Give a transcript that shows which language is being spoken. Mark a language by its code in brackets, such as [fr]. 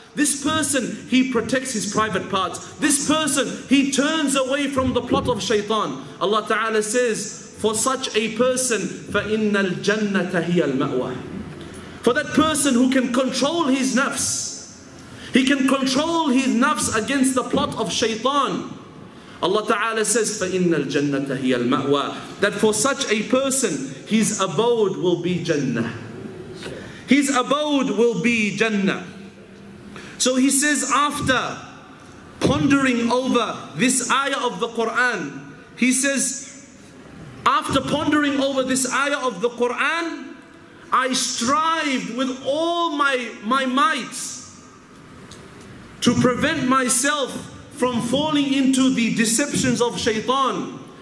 [en] This person, he protects his private parts. This person, he turns away from the plot of shaitan. Allah ta'ala says, for such a person, [ar] فَإِنَّ الْجَنَّةَ هِيَ الْمَأْوَى. [en] For that person who can control his nafs, he can control his nafs against the plot of shaitan. Allah ta'ala says, [ar] فَإِنَّ الْجَنَّةَ هِيَ الْمَأْوَى. [en] That for such a person, his abode will be Jannah. His abode will be Jannah. So he says, after pondering over this ayah of the Quran, he says, after pondering over this ayah of the Quran, I strive with all my might to prevent myself from falling into the deceptions of shaitan.